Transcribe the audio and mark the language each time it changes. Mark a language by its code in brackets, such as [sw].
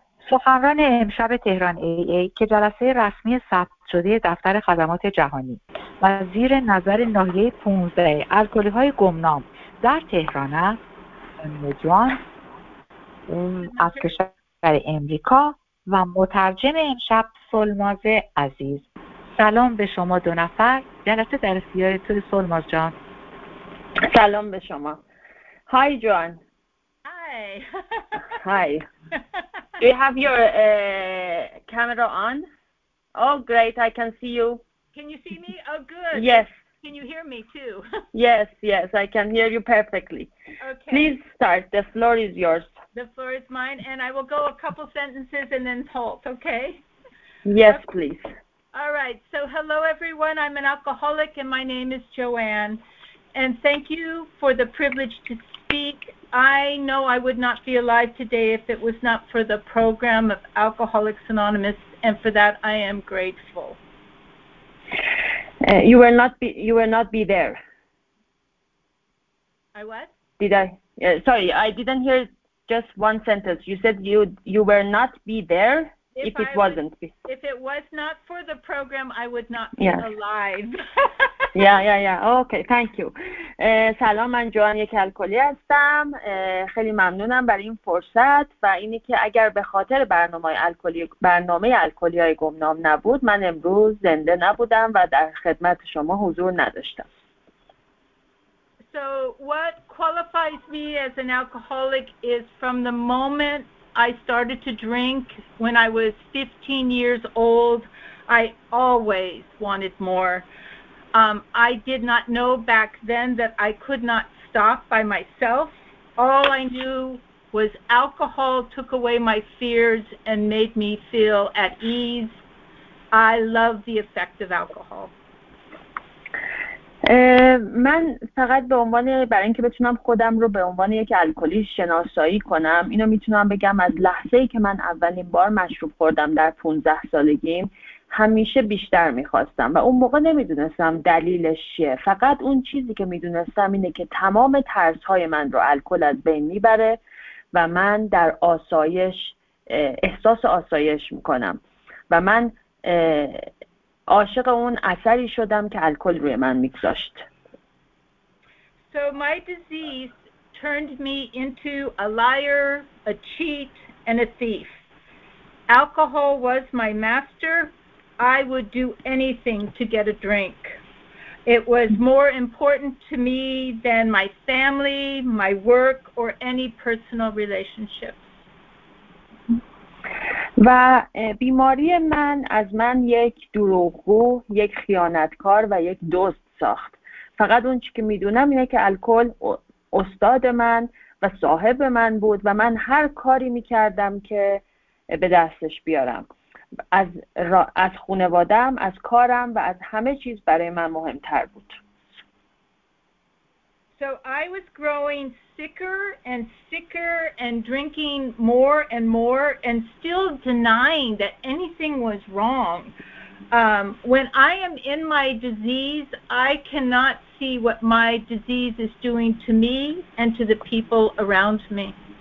[fa] سخنران امشب تهران ای ای که جلسه رسمی ثبت شده دفتر خدمات جهانی و زیر نظر ناحیه 15 الکلی های گمنام در تهران است، نجوان از کشور امریکا و مترجم امشب سلماز عزیز. سلام به شما دو نفر، جلسه در اختیار تو سلماز جان. سلام به شما. های جان. [en] Hi. Hi. Do you have your camera on? Oh, great. I can see you. Can you see me? Oh, good. Yes. Can you hear me too? Yes, yes. I can hear you perfectly. Okay. Please start. The floor is yours. The floor is mine, and I will go a couple sentences and then halt, okay? Yes, please. All right. So, hello, everyone. I'm an alcoholic, and my name is Joanne. And thank you for the privilege to speak. I know I would not be alive today if it was not for the program of Alcoholics Anonymous, and for that I am grateful. You will not be there. I what? Did I? Sorry, I didn't hear just one sentence. You said you will not be there if it wasn't. If it was not for the program, I would not be alive. Yeah. Okay, thank you. [fa] سلام، من جوان یک الکلی هستم. خیلی ممنونم برای این فرصت و اینی که اگر به خاطر برنامه الکلی های گمنام نبود، من امروز زنده نبودم و در خدمت شما حضور نداشتم. [en] So what qualifies me as an alcoholic is from the moment I started to drink when I was 15 years old, I always wanted more. I did not know back then that I could not stop by myself. All I knew was alcohol took away my fears and made me feel at ease. I love the effect of alcohol. [fa] من فقط به عنوان برای اینکه بتونم خودم رو به عنوان یک الکلی شناسایی کنم، اینو میتونم بگم از لحظه‌ای که من اولین بار مشروب خوردم در 15 سالگیم، همیشه بیشتر میخواستم و اون موقع نمیدونستم دلیلش چیه. فقط اون چیزی که میدونستم اینه که تمام ترسهای من رو الکل از بین میبره و من در آسایش احساس آسایش میکنم و من عاشق اون اثری شدم که الکل روی من میگذاشت. [en] So my disease turned me into a liar, a cheat and a thief. Alcohol was my master. I would do anything to get a drink. It was more important to me than my family, my work, or any personal relationships. [fa] و بیماری من از من یک دروغگو، یک خیانتکار و یک دوست ساخت. فقط اون چی که میدونم اینه که الکل استاد من و صاحب من بود و من هر کاری میکردم که به دستش بیارم. از خانواده‌ام، از کارم و از همه چیز برای من مهمتر بود. [en] So I was growing sicker and sicker and drinking more and more and still denying that anything was wrong. When I am in my disease, I cannot see what my disease is doing to me and to the people around me.